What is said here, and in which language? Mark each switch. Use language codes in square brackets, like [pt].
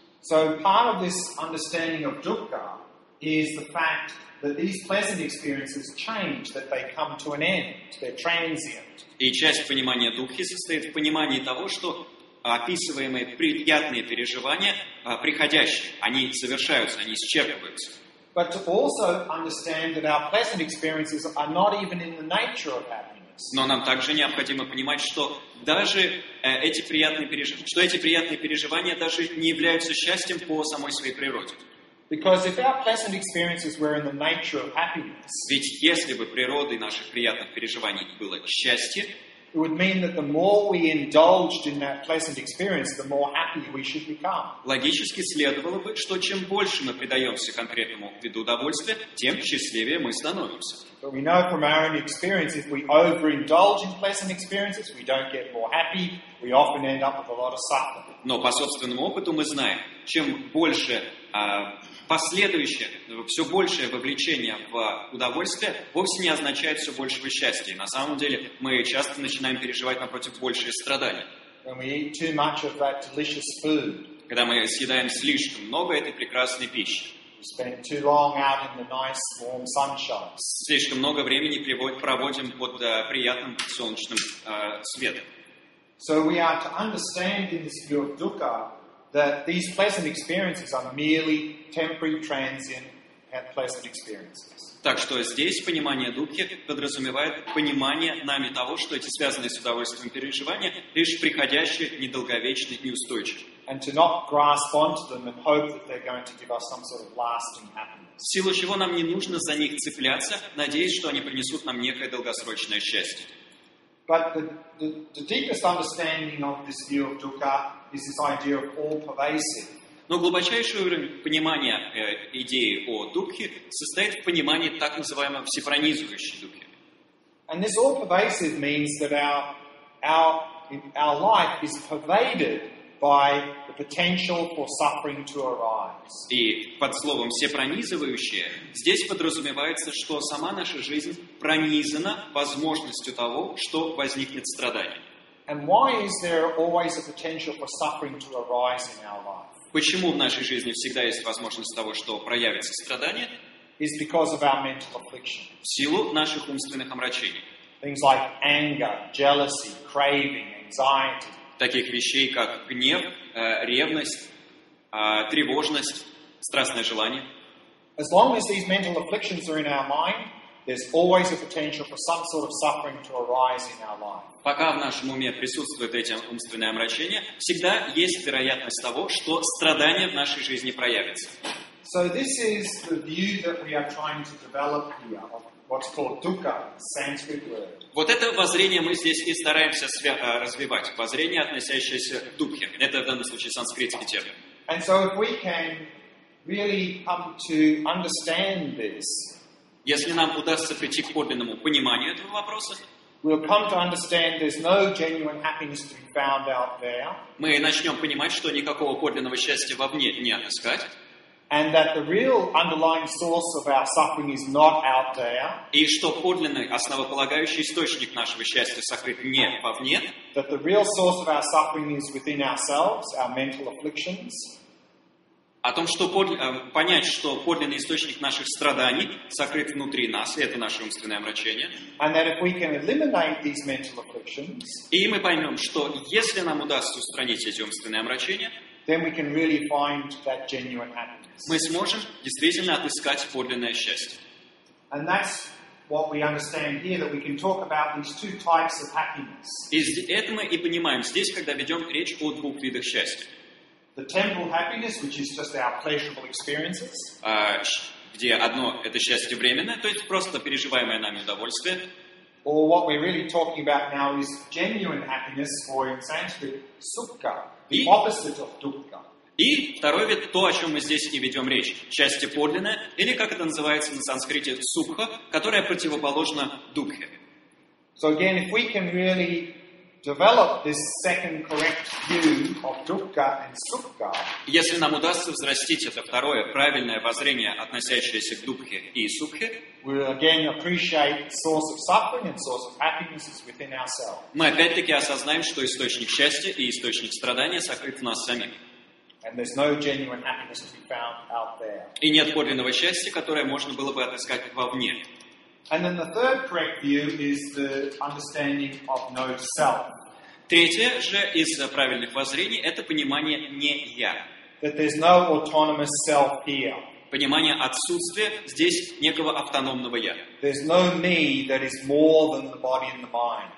[en] So part of this understanding of dukkha is the fact that these pleasant experiences change, that they come to an end, they're transient. [ru] И часть понимания дукхи состоит в понимании того, что описываемые приятные переживания приходящие, они совершаются, они исчерпываются. [en] But to also understand that our pleasant experiences are not even in the nature of happiness. [ru] Но нам также необходимо понимать, что даже эти приятные переживания даже не являются счастьем по самой своей природе. [en] Because if our pleasant experiences were in the nature of happiness, [ru] ведь если бы природой наших приятных переживаний было счастье, [en] it would mean that the more we indulged in that pleasant experience, the more happy we should become. [ru] Логически следовало бы, что чем больше мы предаемся конкретному виду удовольствия, тем счастливее мы становимся. [en] But we know from our own experience, if we overindulge in pleasant experiences, we don't get more happy. We often end up with a lot of suffering. [ru] Но по собственному опыту мы знаем, чем больше последующее, все большее вовлечение в удовольствие вовсе не означает все большего счастья. На самом деле, мы часто начинаем переживать, напротив, большие страдания. [en] When we eat too much of that delicious food, [ru] когда мы съедаем слишком много этой прекрасной пищи, [en] we spend too long out in the nice warm sunshine. [ru] Слишком много времени проводим под приятным солнечным светом. [en] So we are to understand in this view of dukkha that these pleasant experiences are merely temporary, transient, and pleasant experiences. [ru] Так что здесь понимание Дукхи подразумевает понимание нами того, что эти связанные с удовольствием переживания лишь приходящие, недолговечные, неустойчивые. [en] And to not grasp onto them and hope that they're going to give us some sort of lasting happiness. [ru] В силу чего нам не нужно за них цепляться, надеясь, что они принесут нам некое долгосрочное счастье. [en] But the deepest understanding of this view of dukkha is this idea of all pervasive. [ru] Но глубочайший уровень понимания идеи о дукхе состоит в понимании так называемого всепронизывающей дукхи. [en] And this all pervasive means that our life is pervaded by the potential for suffering to arise. [ru] И под словом всепронизывающее здесь подразумевается, что сама наша жизнь пронизана возможностью того, что возникнет страдание. [en] And why is there always a potential for suffering to arise in our life? [ru] Почему в нашей жизни всегда есть возможность того, что проявится страдание? [en] Is because of our mental affliction. [ru] В силу наших умственных омрачений. [en] Things like anger, jealousy, craving, anxiety. [ru] Таких вещей, как гнев, ревность, тревожность, страстное желание. [en] As long as these mental afflictions are in our mind, there's always a potential for some sort of suffering to arise in our life. [ru] Пока в нашем уме присутствует эти умственные омрачения, всегда есть вероятность того, что страдание в нашей жизни проявится. [en] So this is the view that we are trying to develop here, what's called dukkha, Sanskrit word. [ru] Вот это воззрение мы здесь и стараемся развивать. Воззрение, относящееся к Дукхе. Это в данном случае санскритский термин. [en] And so if we can really come to understand this, [ru] если нам удастся прийти к подлинному пониманию этого вопроса, [en] we'll come to understand there's no genuine happiness to be found out there. [ru] Мы начнем понимать, что никакого подлинного счастья вовне не отыскать. [en] And that the real underlying source of our suffering is not out there. [ru] И что подлинный основополагающий источник нашего счастья сокрыт не вовне. [en] That the real source of our suffering is within ourselves, our mental afflictions. [ru] О том, что понять, что подлинный источник наших страданий сокрыт внутри нас, и это наше умственное омрачение. [en] And that if we can eliminate these mental afflictions, [ru] и мы поймем, что если нам удастся устранить эти умственные омрачения, [en] then we can really find that genuine happiness. [ru] Мы сможем действительно отыскать подлинное счастье. [en] And that's what we understand here, that we can talk about these two types of happiness. [ru] И это мы и понимаем здесь, когда ведем речь о двух видах счастья. [en] The temporal happiness, which is just our pleasurable experiences. [ru] Где одно это счастье временное, то есть просто переживаемое нами удовольствие. [en] Or what we're really talking about now is genuine happiness, or in Sanskrit, sukha, the opposite of dukkha. [ru] И второй вид, то, о чем мы здесь и ведем речь, счастье подлинное, или как это называется на санскрите, сукха, которое противоположно дукхе. [en] So again, if we can really develop this second correct view of dukkha and sukha. [ru] Если нам удастся взрастить это второе правильное воззрение, относящееся к дукхе и сукхе, [en] we again appreciate the source of suffering and source of happiness is within ourselves. [ru] Мы опять-таки осознаем, что источник счастья и источник страдания сокрыт в нас самих. [en] And there's no genuine happiness to be found out there. [ru] И нет подлинного счастья, которое можно было бы отыскать вовне. [en] And then the third correct view is the understanding of no self. [ru] Третье же из правильных воззрений это понимание не я. [en] That there's no autonomous self here. [ru] Понимание отсутствия здесь некого автономного я. [en] There's no me that is more than the body and the mind.